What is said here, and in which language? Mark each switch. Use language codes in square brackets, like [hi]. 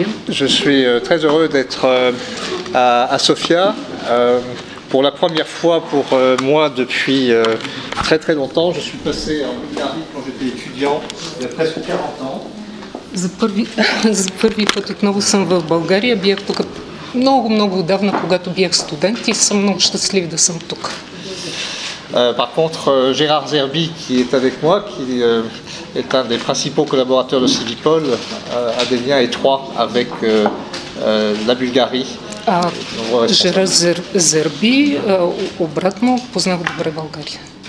[fr] Je suis très heureux d'être à Sofia pour la première fois pour moi depuis très très longtemps. Je suis passé en Bulgarie quand j'étais étudiant il y a presque 40 ans. [bg] За първи път отново съм в България. Бях тук много-много отдавна, когато бях студент и съм много щастлив да съм тук. [fr] Par contre, Gérard Zerbi, qui est avec moi, qui est un des principaux collaborateurs de Sivipol, a des liens étroits avec la Bulgarie. [bg] Gérard Зерби, обратно, познава добре България.